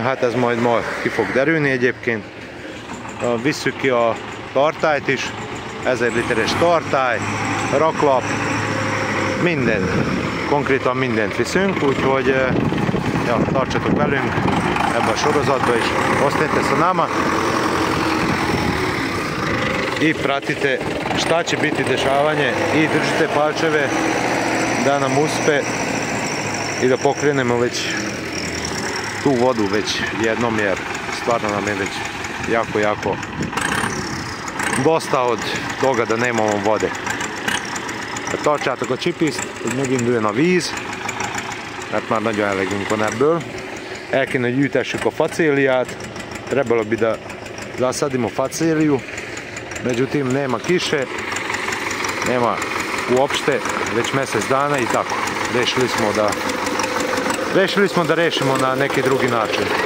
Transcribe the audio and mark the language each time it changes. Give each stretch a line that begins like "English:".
Hungarian: Hát ez majd ma ki fog derülni egyébként. Visszük ki a tartályt is, 1000 literes tartály, raklap, minden, konkrétan mindent viszünk, úgyhogy ja, tartsatok velünk ebben a sorozatban is. Azt én tesz a náma.
Serbian: I pratite šta će biti dešavanje i držite palčeve da nam uspe i da pokrenemo već tu vodu već jednom, jer stvarno nam je već jako, jako dosta od toga da nemamo vode.
Hungarian: Tartsátok a csipiszt, hogy meginduljon a víz, mert már nagyon elegünk van ebből. El kéne, hogy ütessük a facéliát,
Serbian: trebalo bi da zasadimo facéliu, međutim nema kiše, nema uopšte, već mesec dana i tako. Rešili smo da rešimo na neki drugi način.